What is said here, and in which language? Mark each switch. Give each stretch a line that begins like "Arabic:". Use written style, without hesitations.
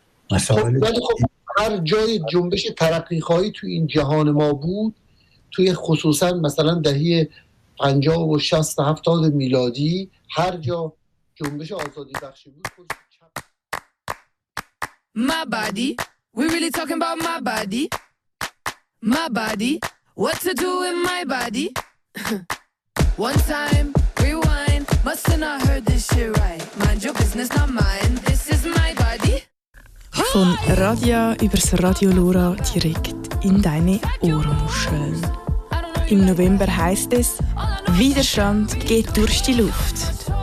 Persian: خب هر جای جنبش ترقی خواهی توی این جهان ما بود، توی خصوصا مثلا دهه 50 و 60 و 70 میلادی، هر جا جنبش آزادی بخشی بود خودش چپ.
English: We really talking about my body, my body, what to do with my body? One time, rewind, must have not heard this shit right. Mind your business, not mine, this is my body.
German: Von Radia übers Radio Lora direkt in deine Ohrmuscheln. Im November heißt es, Widerstand geht durch die Luft.